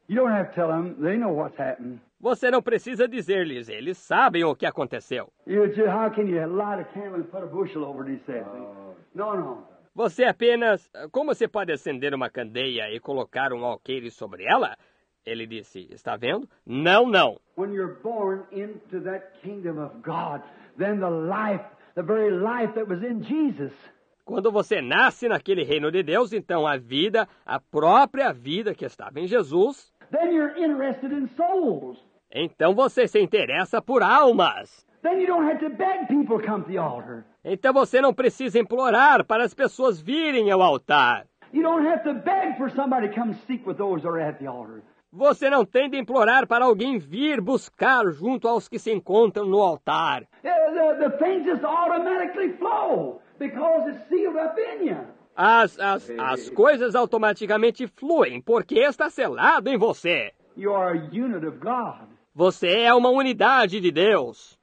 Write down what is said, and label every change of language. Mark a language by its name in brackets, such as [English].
[English] You don't have to tell them. They know what's happened. [Portuguese] Você não precisa dizer-lhes. Eles sabem o que aconteceu. [English] How can you light a candle and put a bushel over it? No. [Portuguese] Você apenas... Como você pode acender uma candeia e colocar um alqueire sobre ela? Ele disse, está vendo? Não. [English] When you're born into that kingdom of God, then the life, the very life that was in Jesus. [Portuguese] Quando você nasce naquele reino de Deus, então a vida, a própria vida que estava em Jesus. [English] Then you're interested in souls. [Portuguese] Então você se interessa por almas. [English] Then you don't have to beg people come to the altar. [Portuguese] Então você não precisa implorar para as pessoas virem ao altar. [English] You don't have to beg for somebody to come seek with those that are at the altar. [Portuguese] Você não tem de implorar para alguém vir buscar junto aos que se encontram no altar. [English] The things just automatically flow because it's sealed up in you. [Portuguese] As coisas automaticamente fluem porque está selado em você. [English] You are a unit of God. [Portuguese] Você é uma unidade de Deus.